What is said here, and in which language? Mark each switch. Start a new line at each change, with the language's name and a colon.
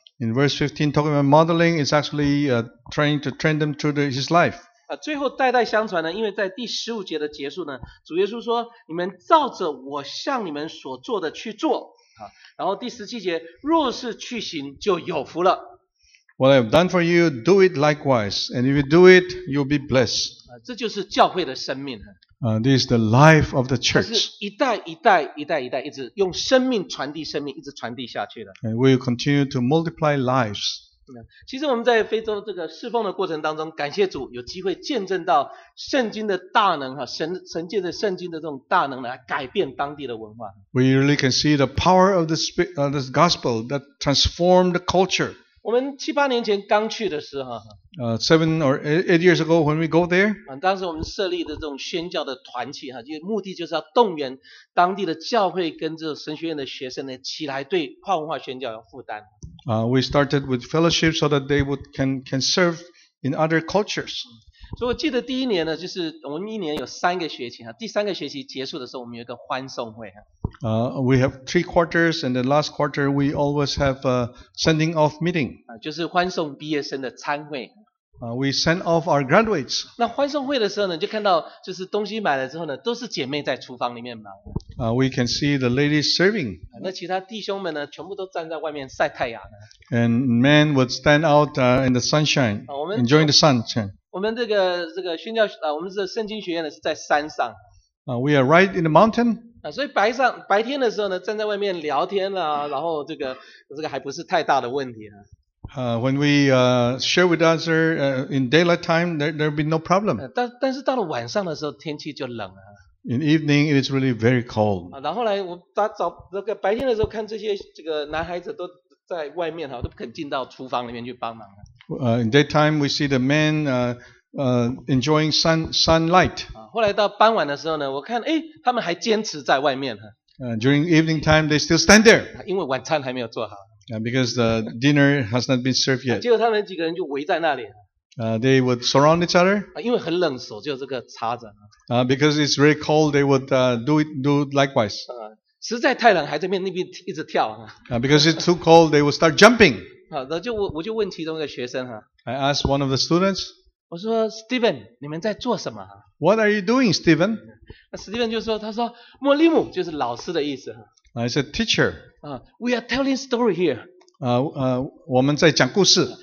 English: In verse 15, talking about modeling, it's actually trying to train them through his life.
Chinese: 最后代代相传呢，因为在第十五节的结束呢，主耶稣说：“你们照着我向你们所做的去做。” 然后第十七节，若是去行，就有福了。
English: What I have done for you, do it likewise. And if you do it, you'll be blessed.
Chinese: 这就是教会的生命。
English: This is the life of the church.
Chinese: 是一代一代一代一代一直用生命传递生命，一直传递下去的。
English: And we will continue to multiply lives.
Chinese: 其实我们在非洲这个侍奉的过程当中，感谢主有机会见证到圣经的大能，神借着圣经的这种大能来改变当地的文化。
English: We really can see the power of the gospel that transformed the culture.
Chinese: 我们七八年前刚去的时候，
English: 7 or 8 years ago when we go there,
Chinese: 当时我们设立的这种宣教的团契，目的就是要动员当地的教会跟这神学院的学生呢起来对跨文化宣教要负担。
English: We started with fellowship so that they would, can serve in other cultures.
Chinese: 所以我记得第一年呢，就是我们一年有三个学期，第三个学期结束的时候我们有一个欢送会。
English: We have three quarters, and the last quarter we always have a sending off meeting.
Chinese: 就是欢送毕业生的餐会。
English: We send off our graduates.
Chinese: 那欢送会的时候呢，就看到就是东西买了之后呢，都是姐妹在厨房里面忙。
English: We can see the ladies serving.
Chinese: 那其他弟兄们呢，全部都站在外面晒太阳。
English: And men would stand out in the sunshine, enjoying the sunshine.
Chinese: 我们这个宣教我们这圣经学院呢是在山上。
English: We are right in the mountain.
Chinese: 所以白天的时候呢，站在外面聊天了，然后这个还不是太大的问题啊。
English: When we share with others in daylight time, there be no problem.
Chinese: 但是到了晚上的时候，天气就冷了。
English: In evening, it is really very cold.
Chinese: 然后来我早那个白天的时候看这个男孩子都在外面哈，都不肯进到厨房里面去帮忙。
English: In daytime, we see the men enjoying sunlight.
Chinese: 后来到傍晚的时候呢，我看他们还坚持在外面。
English: During evening time, they still stand there.
Chinese: 因为晚餐还没有做好。
English: Because the dinner has not been served yet.
Chinese: 结果他们几个人就围在那里。
English: They would surround each other.
Chinese: 因为很冷，手就这个插着。
English: Because it's very cold, they would do likewise.
Chinese: 实在太冷，还在那边一直跳。
English: Because it's too cold, they would start jumping.
Chinese: 那就我就问其中一个学生。
English: I asked one of the students.
Chinese: 我说 ,Steven, 你们在做什么
English: ?What are you doing, Steven?
Chinese: Steven 就说他说莫利姆就是老师的意思。
English: I said, teacher. We are telling story here.
Chinese: 我们在讲故事。